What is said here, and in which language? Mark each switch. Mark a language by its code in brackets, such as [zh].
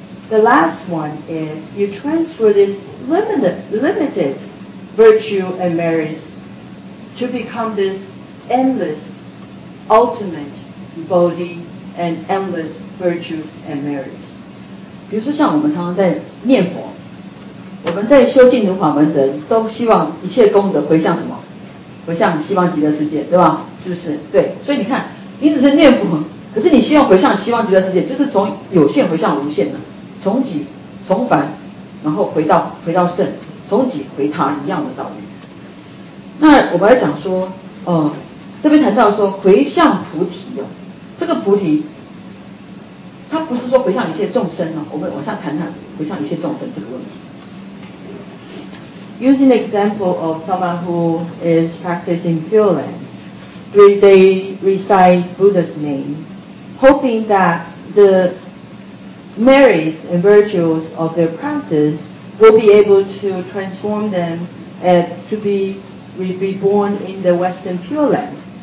[en] The last one is you transfer this limited virtue and merits to become thisendless, ultimate body and endless virtues and merits. [zh] 比如说像我们常常在念佛，我们在修净土法门的人都希望一切功德回向什么？回向西方极乐世界，对吧？是不是？对。所以你看，你只是念佛，可是你希望回向西方极乐世界，就是从有限回向无限的，从己从凡，然后回到圣，从己回他，一样的道理。那我们来讲说，这边谈到说回向菩提哦，这个菩提，它不是说回向一切众生哦。我们往下谈谈回向一切众生这个问题。 [en] Using example of someone who is practicing Pure Land, they recite Buddha's name, hoping that the merits and virtues of their practice will be able to transform them and to be reborn in the Western Pure Land.